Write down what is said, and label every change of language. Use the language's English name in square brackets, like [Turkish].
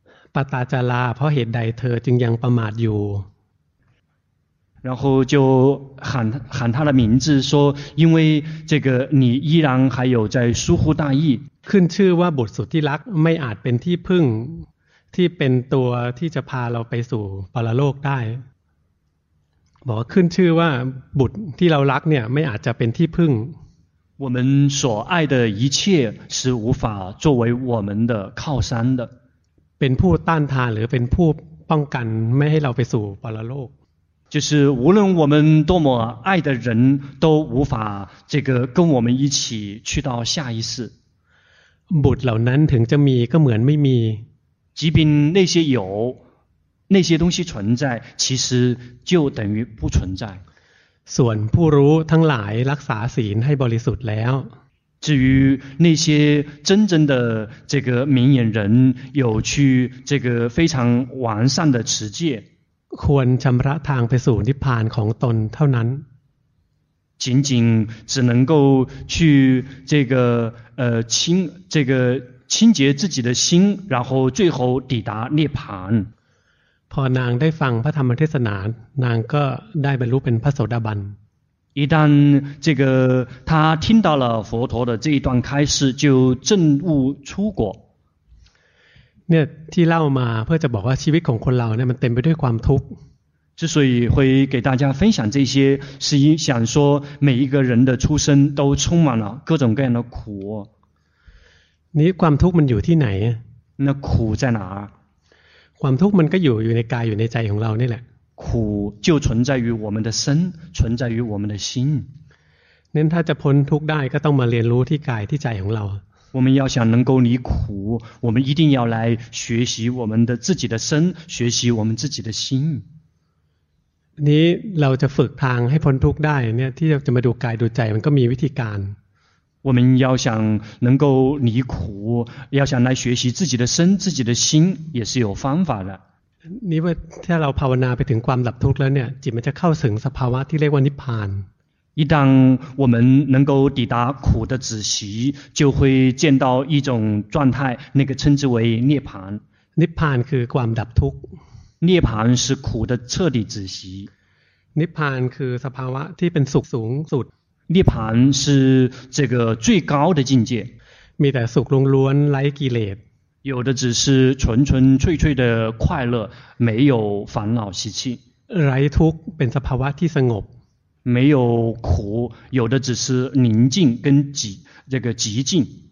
[Thai] ปตาจาราเพราะเหตุใดเธอจึงยังประมาทอยู่ [Chinese] 然后就喊他的名字说因为这个你依然还有在疏忽大意 [Thai] ขึ้นชื่อว่าบุตรสุดที่รักไม่อาจเป็นที่พึ่งที่เป็นตัวที่จะพาเราไปสู่ปรโลกได้บอกขึ้นชื่อว่าบุตรที่เรารักเนี่ยไม่อาจจะเป็นที่พึ่ง [Chinese] 我们所爱的一切是无法作为我们的靠山的 [Thai] เป็นผู้ต้านทานหรือเป็นผู้ป้องกันไม่ให้เราไปสู่ปรโลก [Chinese] 就是无论我们多么爱的人都无法这个跟我们一起去到下一世 [Thai] บุตรเหล่านั้นถึงจะมีก็เหมือนไม่มี [Chinese] 即便那些有那些东西存在其实就等于不存在 [Thai] ส่วนผู้รู้ทั้งหลายรักษาศีลให้บริสุทธิ์แล้ว [Chinese] 至于那些真正的这个明眼人有去这个非常完善的持戒 [Thai] ควรชำระทางไปสู่นิพพานของตนเท่านั้น [Chinese] 仅仅只能够去这个清这个清洁自己的心然后最后抵达涅槃 [Thai] พอนางได้ฟังพระธรรมเทศนานางก็ได้บรรลุเป็นพระโสดาบัน [Chinese] 一旦这个他听到了佛陀的这一段开示就证悟出果 [Thai] เนี่ยที่เล่ามาเพื่อจะบอกว่าชีวิตของคนเราเนี่ยมันเต็มไปด้วยความทุกข์ [Chinese] 之所以会给大家分享这些是想说每一个人的出生都充满了各种各样的苦 [Thai] นี่ความทุกข์มันอยู่ที่ไหน [Chinese] 那苦在哪儿 [Thai] ความทุกข์มันก็อยู่ในกายอยู่ในใจของเรานี่แหละ [Chinese] 苦就存在于我们的身存在于我们的心 [Thai] นั้นถ้าจะพ้นทุกข์ได้ก็ต้องมาเรียนรู้ที่กายที่ใจของเรา [Chinese] 我们要想能够离苦我们一定要来学习我们的自己的身学习我们自己的心 [Thai] นี้เราจะฝึกทางให้พ้นทุกข์ได้เนี่ยที่จะมาดูกายดูใจมันก็มีวิธีการ [Chinese] 我们要想能够离苦要想来学习自己的身自己的心也是有方法的 [Thai] นี่ว่าถ้าเราภาวนาไปถึงความดับทุกข์แล้วเนี่ยจิตมันจะเข้าถึงสภาวะที่เรียกว่านิพพาน [Chinese] 一旦我们能够抵达苦的止息就会见到一种状态那个称之为涅槃 [Thai] นิพพานคือความดับทุกข์ [Chinese] 涅槃是苦的彻底止息 [Thai] นิพพานคือสภาวะที่เป็นสุขสูงสุด [Chinese] 涅槃是这个最高的境界 [Thai] มีแต่สุขล้วนๆไร้กิเลส [Chinese] 有的只是纯纯粹粹的快乐没有烦恼习气 [Thai] ไร้ทุกข์เป็นสภาวะที่สงบ [Chinese] 没有苦有的只是宁静跟极这个极静